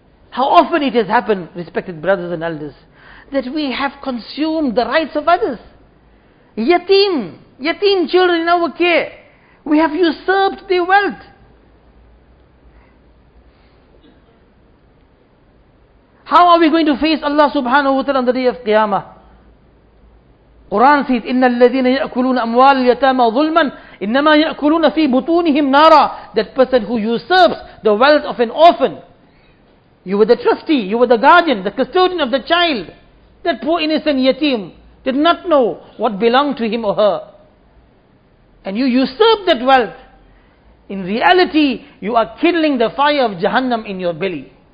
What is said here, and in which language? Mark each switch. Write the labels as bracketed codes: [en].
[en] How often it has happened, respected brothers and elders, that we have consumed the rights of others. Yateen children in our care. We have usurped their wealth. How are we going to face Allah subhanahu wa ta'ala on the day of Qiyamah? Quran says, [ar] إِنَّ الَّذِينَ يَأْكُلُونَ أَمْوَالَ الْيَتَامَ ظُلْمًا إِنَّمَا يَأْكُلُونَ فِي بُطُونِهِمْ نَارًا. [en] That person who usurps the wealth of an orphan. You were the trustee, you were the guardian, the custodian of the child. That poor innocent yatim did not know what belonged to him or her. And you usurp that wealth. In reality, you are kindling the fire of Jahannam in your belly.